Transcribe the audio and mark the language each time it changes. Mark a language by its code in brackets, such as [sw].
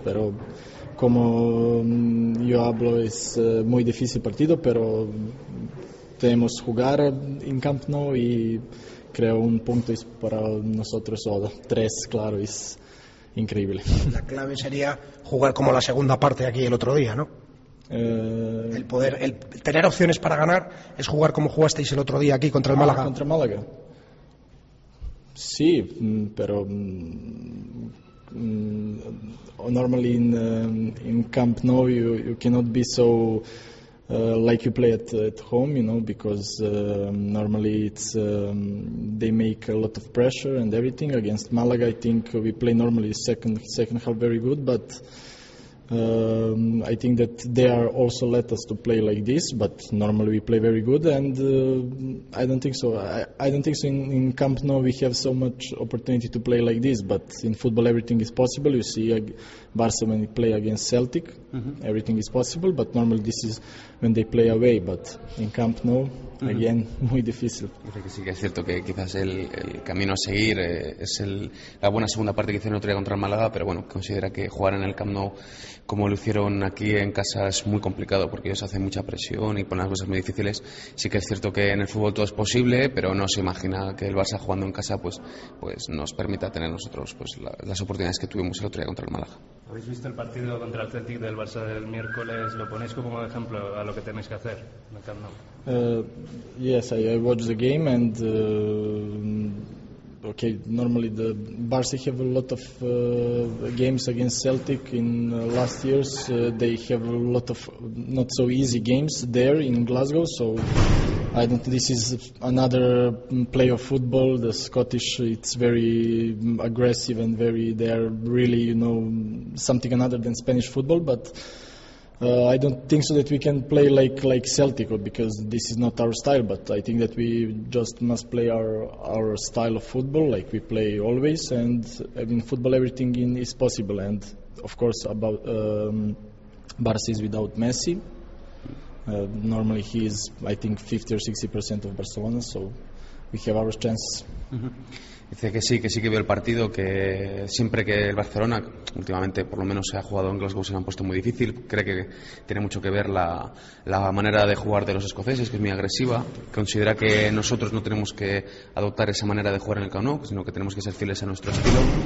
[es] Pero como yo hablo, es muy difícil partido, pero tenemos que jugar en Camp Nou y creo un punto es para nosotros, o tres, claro, es increíble. La clave sería jugar como la segunda parte aquí el otro día, ¿no? El tener opciones para ganar es jugar como jugasteis el otro día aquí contra el Málaga. Contra Málaga. Sí, pero [en] normally in Camp Nou you cannot be so like you play at home, you know, because normally it's they make a lot of pressure and everything against Malaga. I think we play normally second half very good, but I think that they are also let us to play like this. But normally we play very good, and I don't think so. I don't think so. In Camp Nou we have so much opportunity to play like this, but in football everything is possible. You see, Barca when they play against Celtic, mm-hmm. everything is possible. But normally this is when they play away. But in Camp Nou, mm-hmm. again, [es] muy difícil. Sí que es cierto que quizás el camino a seguir es la buena segunda parte que hicieron el otro día contra el Málaga, pero bueno, considera que jugar en el Camp Nou como lo hicieron aquí en casa es muy complicado, porque ellos hacen mucha presión y ponen las cosas muy difíciles. Sí que es cierto que en el fútbol todo es posible, pero no se imagina que el Barça jugando en casa pues nos permita tener nosotros pues las oportunidades que tuvimos el otro día contra el Málaga. ¿Habéis visto el partido contra el Celtic del Barça del miércoles? ¿Lo ponéis como ejemplo a lo que tenéis que hacer en el Camp Nou? [en] Yes, I watched the game and okay, normally the Barça have a lot of games against Celtic in last years. They have a lot of not so easy games there in Glasgow, so I don't. This is another play of football. The Scottish, it's very aggressive and very. They are really, you know, something another than Spanish football. But I don't think so that we can play like Celtic, because this is not our style. But I think that we just must play our style of football like we play always. And in football, everything is possible. And of course, about Barça is without Messi. Normally he is, I think, 50% or 60% of Barcelona, so we have our chances. [es] Dice que sí que vio el partido, que siempre que el Barcelona, últimamente por lo menos se ha jugado en Glasgow, se lo han puesto muy difícil. Cree que tiene mucho que ver la manera de jugar de los escoceses, que es muy agresiva. Considera que nosotros no tenemos que adoptar esa manera de jugar en el Camp Nou, sino que tenemos que ser fieles a nuestro estilo.